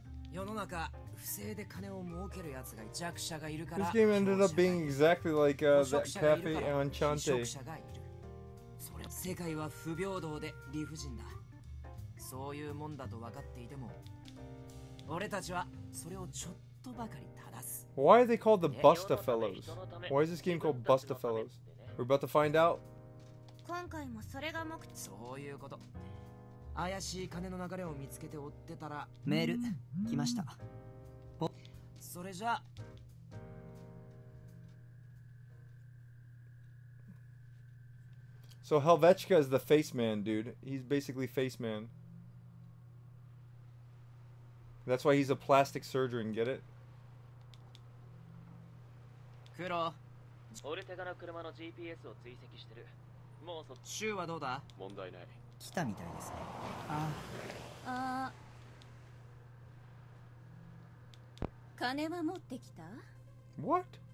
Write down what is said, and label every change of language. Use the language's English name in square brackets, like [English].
[Japanese] 世の中、不正で金を儲ける奴が弱者がいるから。 [English] This game ended up being exactly like the Cafe Enchante. [Japanese] 者がいる。それ、世界は不平等で理不尽だ。そういうもんだと分かっていても、俺たちはそれをちょっとばかり正す。 [English] Why are they called the Bustafellows? Why is this game called Bustafellows? We're about to find out. [Japanese] 今回もそれが目的。そういうこと。怪しい金の流れを見つけて追ってたらメール来ました。それじゃ [English] あ。So Helvetica is the face man, dude. He's basically face man. That's why he's a plastic surgeon, get it? [Japanese] 黒、オルテガの車の GPS を追跡してる。もうそっちはどうだ。問題ない。来たみたいですね。ああ。金は持ってきた？ [English] What？